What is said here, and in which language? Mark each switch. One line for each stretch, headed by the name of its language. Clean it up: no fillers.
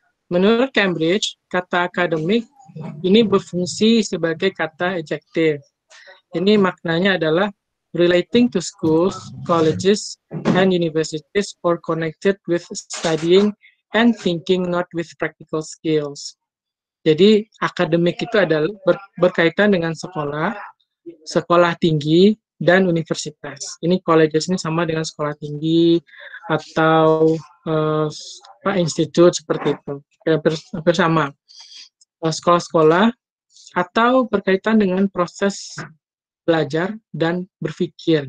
Indonesian: Menurut Cambridge, kata akademik ini berfungsi sebagai kata adjective. Ini maknanya adalah
English: relating to schools, colleges, and universities or connected with studying and thinking, not with practical skills.
Indonesian: Jadi akademik itu adalah berkaitan dengan sekolah, sekolah tinggi, dan universitas. Ini colleges ini sama dengan sekolah tinggi atau institut seperti itu. Bersama sekolah-sekolah atau berkaitan dengan proses belajar dan berpikir.